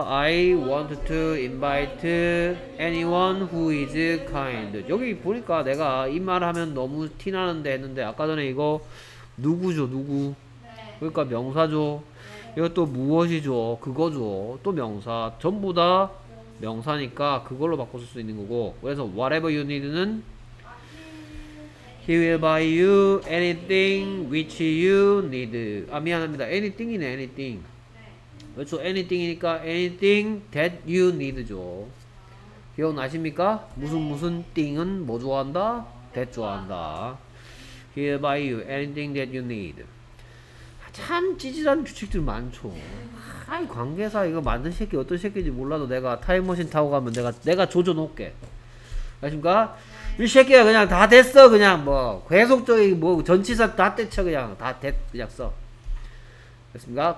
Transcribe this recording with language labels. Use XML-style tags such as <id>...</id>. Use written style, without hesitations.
<en>I want to invite anyone who is kind.</en> <ko>여기 보니까 내가 이 말 하면 너무 티 나는데 했는데 아까 전에 이거 누구죠? 누구? 그러니까 명사죠. 이것도 무엇이죠? 그거죠. 또 명사. 전부 다 명사니까 그걸로 바꿔 쓸 수 있는 거고.</ko> <en>그래서 whatever you need는 He will buy you anything which you need.</en> <ko>아, 미안합니다. Anything이네, anything. 그렇죠, anything이니까</ko> <en>anything that you need</en> <ko>죠. 기억나십니까? 무슨 무슨 thing은 뭐 좋아한다? That 좋아한다.</ko> <en>He will buy you anything that you need.</en> <ko>참 찌질한 규칙들 많죠. 아이, 관계사 이거 만든 새끼 어떤 새끼인지 몰라도 내가 타임머신 타고 가면 내가 조져놓을게. 아십니까? 이 새끼야 그냥 다 됐어. 그냥 뭐 계속적인 뭐 전치사 다 때쳐. 그냥 다 됐. 그냥 써. 됐습니까?</ko>